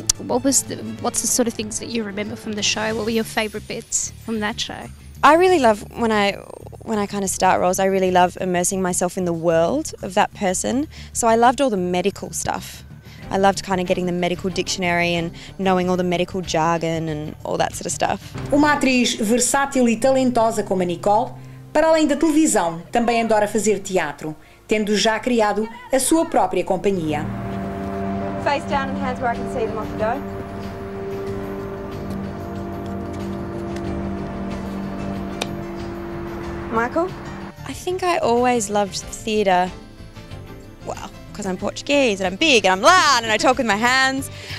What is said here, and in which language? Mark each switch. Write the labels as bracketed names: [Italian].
[English] What's the sort of things that you remember from the show? What were your favourite bits from that show? I really love when I kind of start roles. I really love immersing myself in the world of that person. So I loved all the medical stuff. I loved kind of getting the medical dictionary and knowing all the medical jargon and all that sort of stuff. [Portuguese] Uma atriz versátil e talentosa como a Nicole, para além da televisão, também adora fazer teatro, tendo já criado a sua própria companhia. [English] Face down and hands where I can see them off the door. Michael? I think I always loved theatre. Well, because I'm Portuguese and I'm big and I'm loud and I talk with my hands.